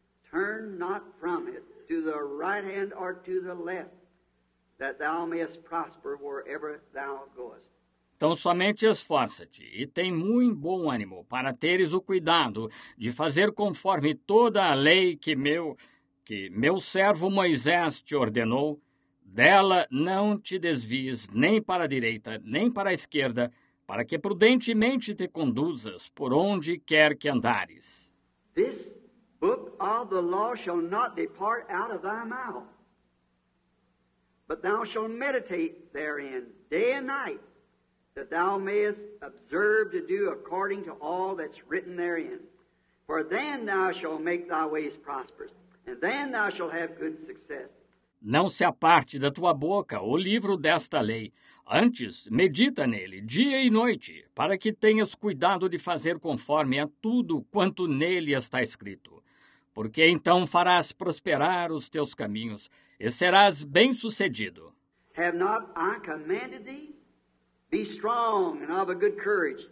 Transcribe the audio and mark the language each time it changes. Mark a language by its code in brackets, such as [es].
[en] Turn not from it to the right hand or to the left, that thou mayest prosper wherever thou goest. [pt] Então somente esforça-te e tem muito bom ânimo para teres o cuidado de fazer conforme toda a lei que meu servo Moisés te ordenou. Dela não te desvies nem para a direita nem para a esquerda, para que prudentemente te conduzas por onde quer que andares. [en] This book of the law shall not depart out of thy mouth, but thou shalt meditate therein day and night, that thou mayest observe to do according to all that's written therein. For then thou shalt make thy ways prosperous, and then thou shalt have good success. [pt] Não se aparte da tua boca o livro desta lei. Antes, medita nele dia e noite, para que tenhas cuidado de fazer conforme a tudo quanto nele está escrito. Porque então farás prosperar os teus caminhos e serás bem-sucedido. [en] Have not I commanded thee? Be strong and of a good courage.